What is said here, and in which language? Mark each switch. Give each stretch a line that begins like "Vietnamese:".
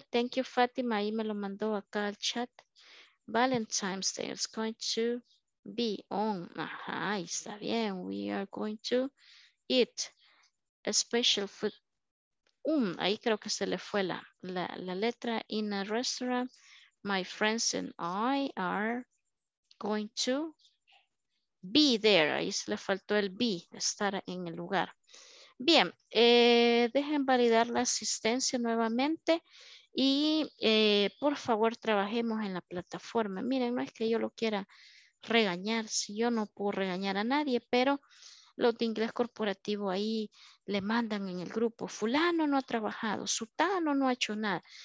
English: Thank you, Fátima.
Spanish: Ahí me lo mandó acá al chat.
English: Valentine's Day is going to be on.
Spanish: Ajá, ahí está bien.
English: We are going to eat a special food.
Spanish: Ahí creo que se le fue la letra.
English: In a restaurant, my friends and I are going to be there.
Spanish: Ahí se le faltó el be, estar en el lugar. Bien, dejen validar la asistencia nuevamente y por favor trabajemos en la plataforma. Miren, no es que yo lo quiera regañar, si yo no puedo regañar a nadie, pero los de inglés corporativo ahí le mandan en el grupo, fulano no ha trabajado, sultano no ha hecho nada.